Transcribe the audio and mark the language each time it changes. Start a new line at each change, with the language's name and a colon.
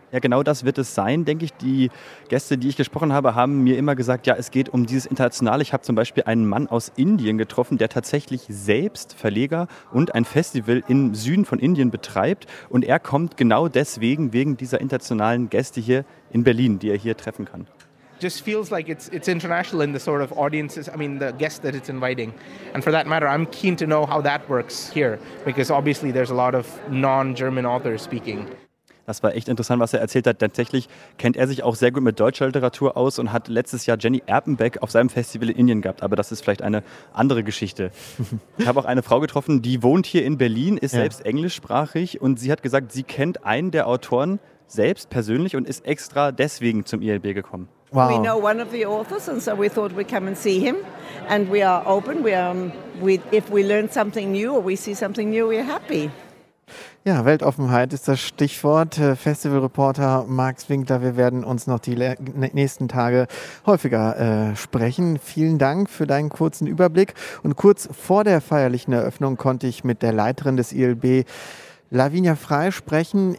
German: Ja, genau das wird es sein, denke ich. Die Gäste, die ich gesprochen habe, haben mir immer gesagt, ja, es geht um dieses Internationale. Ich habe zum Beispiel einen Mann aus Indien getroffen, der tatsächlich selbst Verleger und ein Festival im Süden von Indien betreibt. Und er kommt genau deswegen, wegen dieser internationalen Gäste hier in Berlin, die er hier treffen kann.
English: Just feels like it's international in the sort of audiences, I mean the guests that it's inviting. And for that matter, I'm keen to know how that works here, because obviously there's a lot of non-German authors speaking.
German: Das war echt interessant, was er erzählt hat. Tatsächlich kennt er sich auch sehr gut mit deutscher Literatur aus und hat letztes Jahr Jenny Erpenbeck auf seinem Festival in Indien gehabt. Aber das ist vielleicht eine andere Geschichte. Ich habe auch eine Frau getroffen, die wohnt hier in Berlin, ist selbst englischsprachig und sie hat gesagt, sie kennt einen der Autoren selbst persönlich und ist extra deswegen zum ILB gekommen. Wow.
English: We know one of the authors and so we thought we'd come and see him and we are open. If we learn something new or we see something new, we're happy.
German: Ja, Weltoffenheit ist das Stichwort. Festivalreporter Max Winkler, wir werden uns noch die nächsten Tage häufiger sprechen. Vielen Dank für deinen kurzen Überblick. Und kurz vor der feierlichen Eröffnung konnte ich mit der Leiterin des ILB, Lavinia Frey, sprechen.